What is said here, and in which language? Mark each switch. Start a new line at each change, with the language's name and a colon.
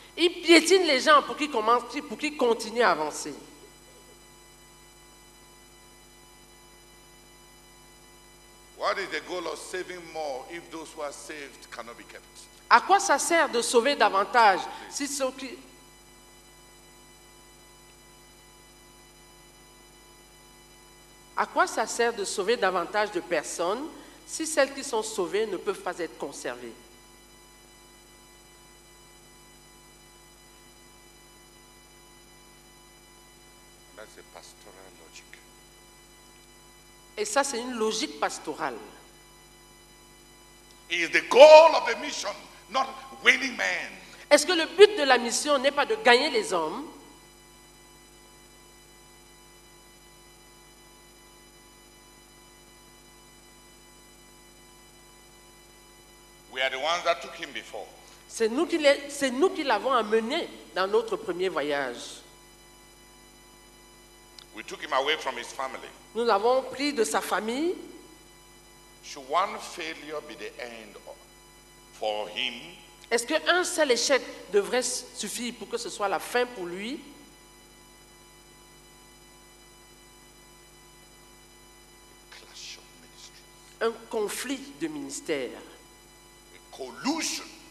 French: Il piétine les gens pour qu'ils commencent, pour qu'ils continuent à avancer.
English: What is the goal of saving more if those who are saved cannot be kept?
French: À quoi ça sert de sauver davantage si ceux qui... À quoi ça sert de sauver davantage de personnes si celles qui sont sauvées ne peuvent pas être conservées?
English: That's a pastoral logic.
French: Et ça, c'est une logique pastorale.
English: Is the goal of the mission not winning men?
French: Est-ce que le but de la mission n'est pas de gagner les hommes?
English: We are the ones that took him before.
French: C'est nous qui l'avons amené dans notre premier voyage.
English: We took him away from his family.
French: Nous l'avons pris de sa famille.
English: Should one failure be the end for him?
French: Est-ce qu'un seul échec devrait suffire pour que ce soit la fin pour lui?
English: A clash of ministries.
French: Un conflit de ministère.
English: A collusion.